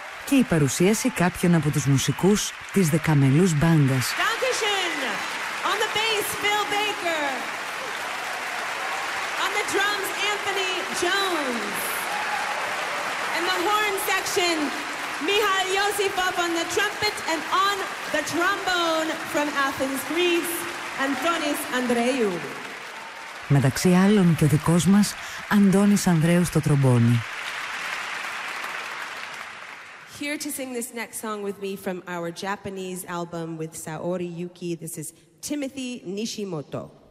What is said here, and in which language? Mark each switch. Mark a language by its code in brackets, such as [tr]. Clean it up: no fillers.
[el] Η παρουσίαση κάποιων από τους μουσικούς της Δεκαμελούς Μπάντας. [en] Dankeschön. On the bass, Bill Baker. On the drums, Anthony Jones. And the horn section, Mihail Yosifov on the trumpet and on the trombone from Athens, Greece, Antonis Andreou. [el] Μεταξύ άλλων και ο δικός μας, Αντώνης Ανδρέου στο τρομπόνι. [en] Here to sing this next song with me from our Japanese album with Saori Yuki, this is Timothy Nishimoto.